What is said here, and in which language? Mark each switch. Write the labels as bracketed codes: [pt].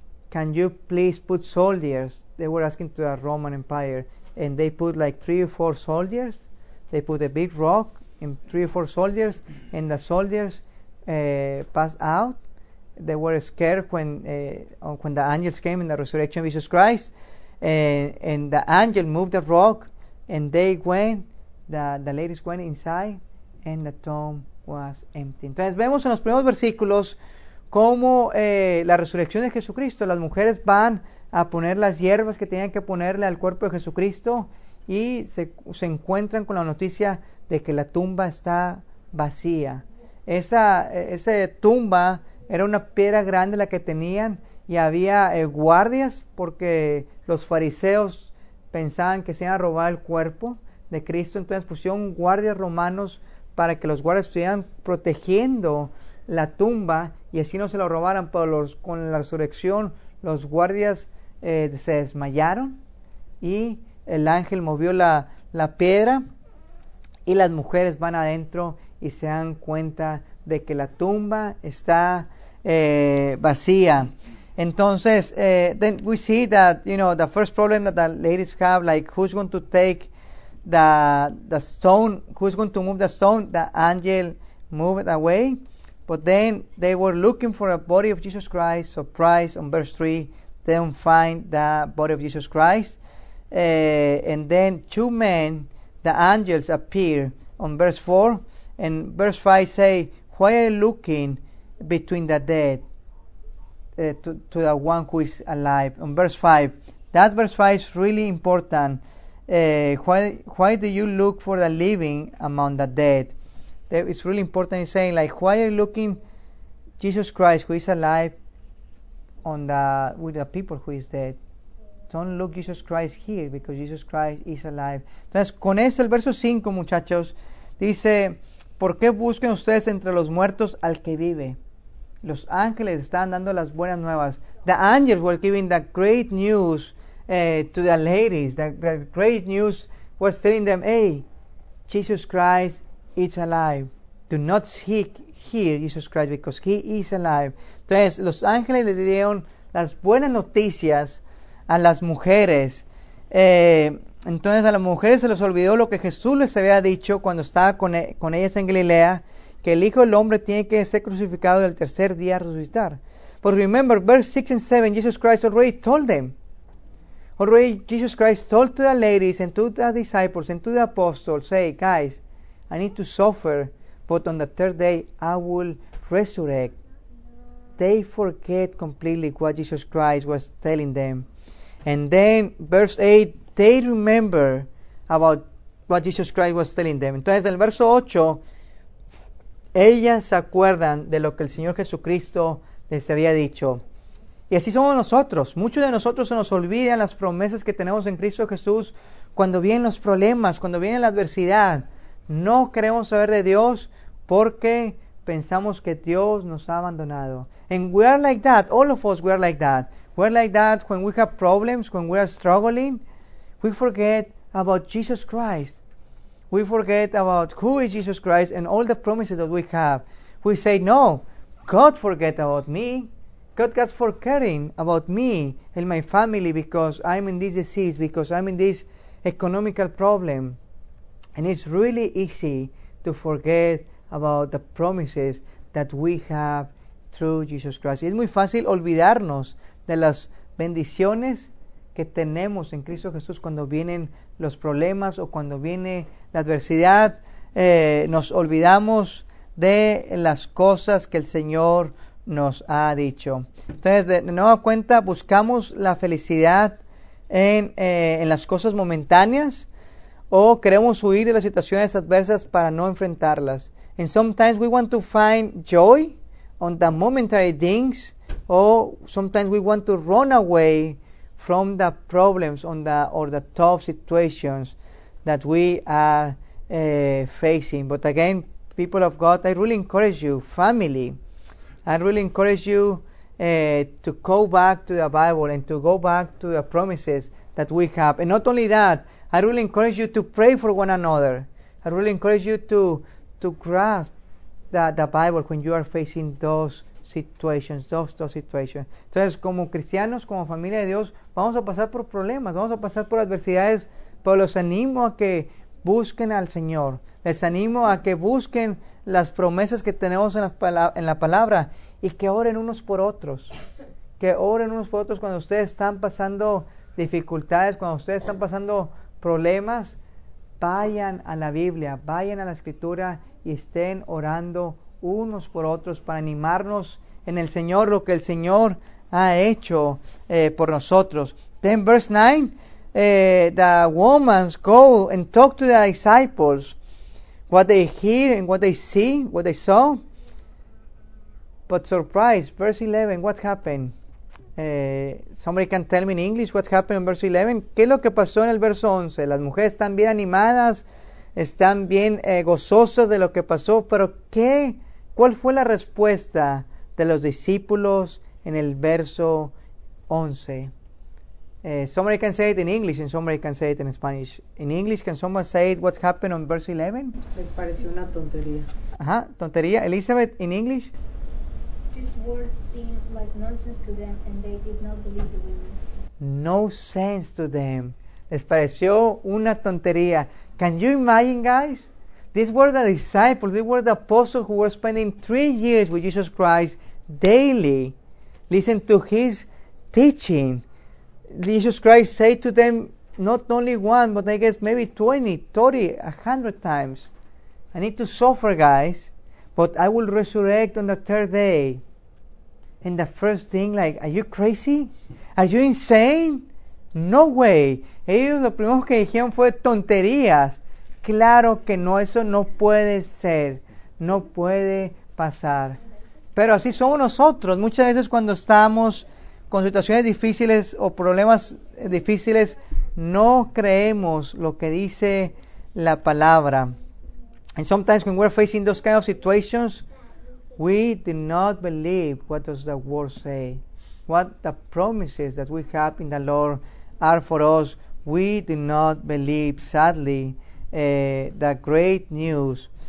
[en] Can you please put soldiers? They were asking to the Roman Empire and they put like 3 or 4 soldiers. They put a big rock and 3 or 4 soldiers and the soldiers passed out. They were scared when the angels came in the resurrection of Jesus Christ, and the angel moved the rock, and they went, the ladies went inside, and the tomb was empty. [es] Entonces vemos en los primeros versículos cómo la resurrección de Jesucristo, las mujeres van a poner las hierbas que tenían que ponerle al cuerpo de Jesucristo y se encuentran con la noticia de que la tumba está vacía. Esa tumba era una piedra grande la que tenían y había guardias porque los fariseos pensaban que se iban a robar el cuerpo de Cristo. Entonces pusieron guardias romanos para que los guardias estuvieran protegiendo la tumba y así no se lo robaran. Pero con la resurrección los guardias se desmayaron y el ángel movió la piedra y las mujeres van adentro y se dan cuenta de que la tumba está vacía. Entonces, [en] then we see that, you know, the first problem that the ladies have, like, who's going to take the stone, who's going to move the stone, the angel moved away. But then they were looking for a body of Jesus Christ. Surprise, on verse 3, they don't find the body of Jesus Christ. And then two men, the angels, appear on verse 4. And verse 5 say, why are you looking between the dead to the one who is alive? On verse 5, that verse 5 is really important. Why do you look for the living among the dead? It's really important in saying, like, why are you looking Jesus Christ who is alive with the people who is dead? Don't look Jesus Christ here because Jesus Christ is alive. [es] Entonces, con eso el verso 5, muchachos, dice, ¿por qué buscan ustedes entre los muertos al que vive? Los ángeles están dando las buenas nuevas. [en] The angels were giving the great news to the ladies. The great news was telling them, hey, Jesus Christ is alive. Do not seek here Jesus Christ because he is alive. [es] Entonces, los ángeles le dieron las buenas noticias a las mujeres. Entonces a las mujeres se les olvidó lo que Jesús les había dicho cuando estaba con ellas en Galilea, que el Hijo del Hombre tiene que ser crucificado y el tercer día resucitar. [en] But remember, verse 6 and 7, Jesus Christ already told them. Already Jesus Christ told to the ladies and to the disciples and to the apostles, say, guys, I need to suffer, but on the third day I will resurrect. They forget completely what Jesus Christ was telling them. And then, verse 8, they remember about what Jesus Christ was telling them. [es] Entonces, en el verso 8, ellas se acuerdan de lo que el Señor Jesucristo les había dicho. Y así somos nosotros. Muchos de nosotros se nos olvidan las promesas que tenemos en Cristo Jesús cuando vienen los problemas, cuando viene la adversidad. No queremos saber de Dios porque pensamos que Dios nos ha abandonado. [en] And we are like that. All of us, we are like that. We are like that when we have problems, when we are struggling. We forget about Jesus Christ. We forget about who is Jesus Christ and all the promises that we have. We say, no, God forget about me. God's forgetting about me and my family because I'm in this disease, because I'm in this economical problem. And it's really easy to forget about the promises that we have through Jesus Christ. [es] Es muy fácil olvidarnos de las bendiciones que tenemos en Cristo Jesús cuando vienen los problemas o cuando viene la adversidad. Nos olvidamos de las cosas que el Señor nos ha dicho. Entonces, de nueva cuenta, buscamos la felicidad en las cosas momentáneas o queremos huir de las situaciones adversas para no enfrentarlas. [en] And sometimes we want to find joy on the momentary things, or sometimes we want to run away from the problems or the tough situations that we are facing. But again, people of God, I really encourage you, family, I really encourage you to go back to the Bible and to go back to the promises that we have. And not only that, I really encourage you to pray for one another. I really encourage you to grasp the Bible when you are facing those situations, those situations. [es] Entonces, como cristianos, como familia de Dios, vamos a pasar por problemas, vamos a pasar por adversidades, pero los animo a que busquen al Señor. Les animo a que busquen las promesas que tenemos en la palabra y que oren unos por otros. Que oren unos por otros cuando ustedes están pasando dificultades, cuando ustedes están pasando problemas. Vayan a la Biblia, vayan a la Escritura y estén orando unos por otros para animarnos en el Señor, lo que el Señor ha hecho por nosotros. [en] Then verse 9, the woman's go and talk to the disciples. What they hear and what they see, what they saw. But surprise, verse 11, what happened? Somebody can tell me in English what happened in verse 11. [es] ¿Qué es lo que pasó en el verso 11? Las mujeres están bien animadas, están bien gozosas de lo que pasó, pero ¿qué? ¿Cuál fue la respuesta de los discípulos en el verso 11? [en] Somebody can say it in English and somebody can say it in Spanish. In English, can someone say it what happened on verse 11? [es] Les pareció una tontería. Ajá, tontería. [en] Elizabeth, in English? These words seemed like nonsense to them and they did not believe the women. No sense to them. [es] Les pareció una tontería. [en] Can you imagine, guys? These were the disciples, these were the apostles who were spending 3 years with Jesus Christ daily. Listen to his teaching. Jesus Christ said to them, not only one, but I guess maybe 20, 30, 100 times. I need to suffer, guys, but I will resurrect on the third day. And the first thing, like, are you crazy? Are you insane? No way. [es] Ellos lo primero que dijeron fue tonterías. Claro que no, eso no puede ser. No puede pasar. Pero así somos nosotros. Muchas veces cuando estamos con situaciones difíciles o problemas difíciles, no creemos lo que dice la palabra. [en] And sometimes when we're facing those kind of situations, we do not believe what does the word say. What the promises that we have in the Lord are for us, we do not believe, sadly, the great news.